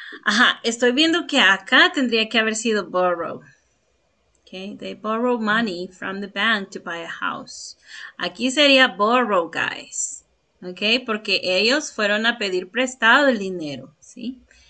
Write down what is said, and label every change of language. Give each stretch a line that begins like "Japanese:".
Spanish: Ajá, estoy viendo que acá tendría que haber sido borrow.
English: Okay, they borrow money from the bank to buy a house.
Spanish: Aquí sería borrow, guys. Okay, porque ellos fueron a pedir prestado el dinero, ¿sí?